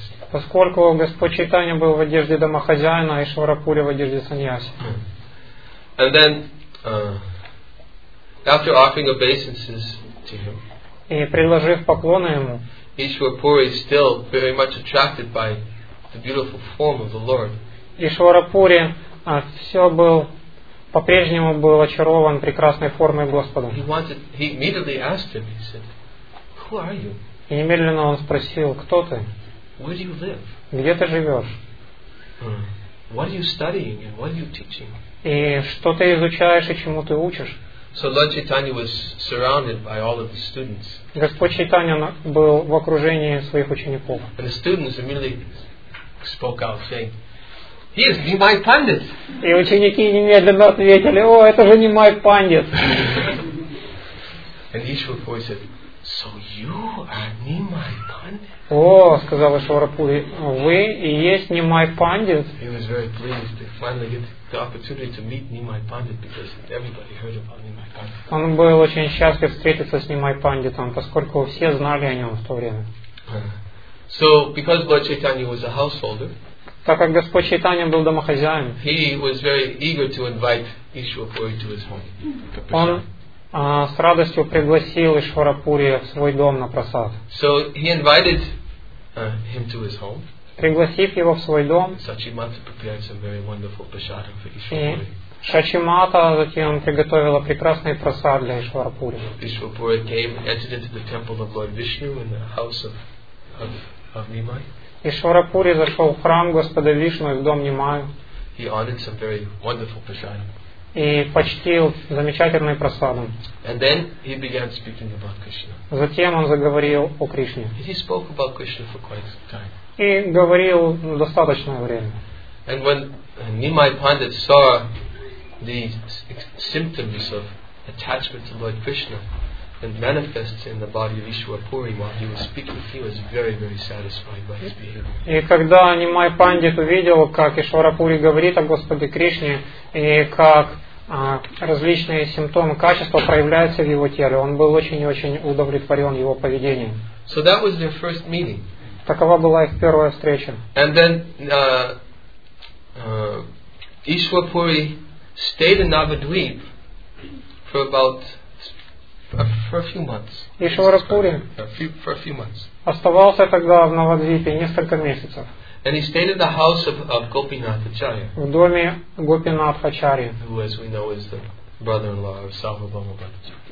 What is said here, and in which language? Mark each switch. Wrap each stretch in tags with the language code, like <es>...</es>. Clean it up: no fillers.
<ru>Поскольку Господь Чайтанья был в одежде домохозяина, а Ишварапури в одежде саньяси.</ru> <en>And then, after offering obeisances to him,</en> <ru>и предложив поклоны ему,</ru> <en>Ишварапури still very much attracted by the beautiful form of the Lord.</en> <ru>Ишварапури все был по-прежнему был очарован прекрасной формой Господа.</ru> <en>He immediately asked him, he said, "Who are you?"</en> <ru>И немедленно он спросил, кто ты?</ru> <en>Where do you live?</en> <ru>Где ты живешь?</ru> <en>What are you studying and what are you teaching?</en> <ru>И что ты изучаешь и чему ты учишь?</ru> <en>So Lord Chaitanya was surrounded by all of the students.</en> <ru>Господь Чайтанья был в окружении своих учеников.</ru> <en>And the students immediately spoke out saying, "He is Nimai Pandit."</en> <ru>И ученики немедленно ответили, "О, это же Nimai Pandit."</ru> <en>And Ishwarapuri said, "So you are Nimai Pandit?"</en> <ru>О, сказал Ишварапури, вы и есть Nimai Pandit.</ru> <en>He was very pleased to finally get the opportunity to meet Nimai Pandit because everybody heard about Nimai Pandit.</en> <ru>Он был очень счастлив встретиться с Nimai Panditом, поскольку все знали о нем в то время.</ru> <en>So because Lord Chaitanya was a householder,</en> <ru>так как Господь Чайтанья был домохозяин,</ru> <en>he was very eager to invite Ishwarapuri to his home.</en> <ru>Он с радостью пригласил Ишварапури в свой дом на просад.</ru> <en>So he invited him to his home.</en> <ru>Пригласив его в свой дом,</ru> <en>Сачимата prepared some very wonderful prasadam for Ишварапури.</en> <ru>Сачимата затем приготовила прекрасный просад для Ишварапури.</ru> <en>Ишварапури came, entered into the temple of Lord Vishnu in the house of Nimai.</en> <ru>Ишварапури зашел в храм Господа Вишну и в дом Нимаю.</ru> <en>He honored some very wonderful prasadam.</en> <ru>И почтил замечательный прасадом.</ru> <en>And then he began speaking about Krishna.</en> <ru>Затем он заговорил о Кришне.</ru> <en>He spoke about Krishna for quite some time.</en> <ru>И говорил достаточное время.</ru> <en>And when Nimai Pandit saw the symptoms of attachment to Lord Krishna and manifests in the body of Ishwarapuri while he was speaking, he was very, very satisfied by his behavior.</en> <ru>И когда Nimai Pandit увидел, как Ишварапури говорит о Господе Кришне, и как различные симптомы качества проявляются в его теле, он был очень и очень удовлетворен его поведением.</ru> <en>So that was their first meeting.</en> <ru>Такова была их первая встреча.</ru> <en>And then Ishwapuri stayed in Navadweep for about for a few months. Ishwarapuri for a few months.</en> <ru>Оставался тогда в Навадвипе несколько месяцев.</ru> <en>And he stayed at the house of Gopinath Acharya.</en> <ru>В доме Гопинатха Ачарьи.</ru> <en>Who, as we know, is the brother-in-law of Sarvabhauma Bhattacharya.</en>